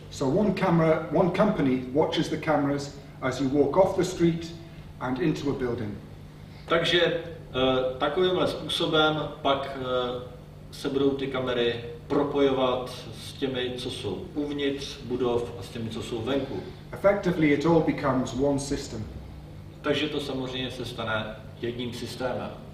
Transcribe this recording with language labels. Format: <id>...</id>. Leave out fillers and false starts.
<en>So one camera, one company watches the cameras as you walk off the street and into a building.</en> <cs>Takže takovýmhle způsobem pak se budou ty kamery propojovat s těmi, co jsou uvnitř budov a s těmi, co jsou venku.</cs> <en>Effectively it all becomes one system.</en> <cs>Takže to samozřejmě se stane jedním systémem.</cs>